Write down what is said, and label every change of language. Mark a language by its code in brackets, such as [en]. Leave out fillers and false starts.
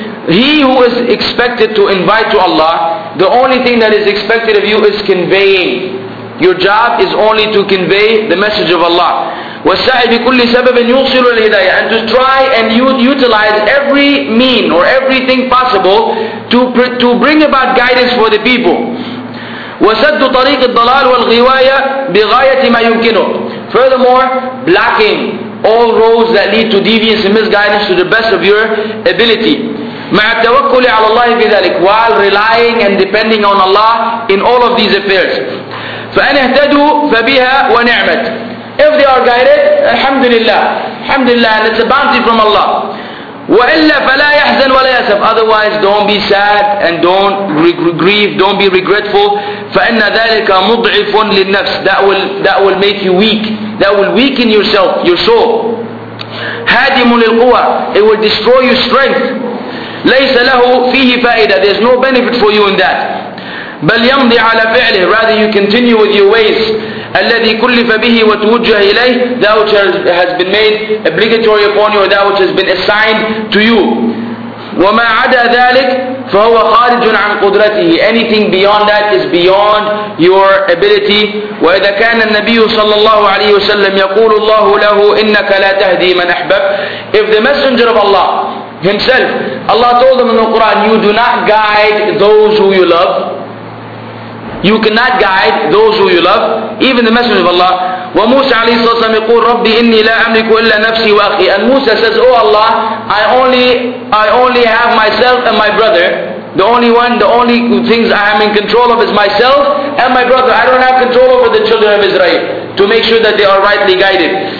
[en] He who is expected to invite to Allah, the only thing that is expected of you is conveying. Your job is only to convey the message of Allah. [ar] والسعي بكل سبب يوصل الهداية, [en] and to try and utilize every mean or everything possible to bring about guidance for the people. [ar] وسد طريق الضلال والغواية بغاية ما يمكنه. [en] Furthermore, blocking all roads that lead to deviance and misguidance to the best of your ability. [ar] مع التوكل على الله بذلك, [en] while relying and depending on Allah in all of these affairs. [ar] فأن اهتدوا فبها ونعمت. [en] If they are guided, alhamdulillah, alhamdulillah, and it's a bounty from Allah. [ar] وإلا فلا يحزن ولا يأسف. [en] Otherwise, don't be sad and don't grieve, don't be regretful. [ar] فإن ذلك مضعف للنفس. [en] That will make you weak. That will weaken yourself, your soul. [ar] هادم للقوى. [en] It will destroy your strength. [ar] ليس له فيه فائدة. [en] There's no benefit for you in that. [ar] بل يمضي على فعله. [en] Rather, you continue with your ways. [ar] الذي كلف به وتوجه إليه, [en] that which has been made obligatory upon you, or that which has been assigned to you. [ar] وما عدا ذلك فهو خارج عن قدرته. [en] Anything beyond that is beyond your ability. [ar] وإذا كان النبي صلى الله عليه وسلم يقول الله له إنك لا تهدي من أحبب. [en] If the messenger of Allah himself, Allah told him in the Quran, you do not guide those who you love. You cannot guide those who you love, even the Messenger of Allah. [ar] وموسى عليه الصلاة والسلام يقول ربي إني لا أملك إلا نفسي وأخي. [en] And Musa says, oh Allah, I only have myself and my brother. The only one, the only things I am in control of is myself and my brother. I don't have control over the children of Israel to make sure that they are rightly guided.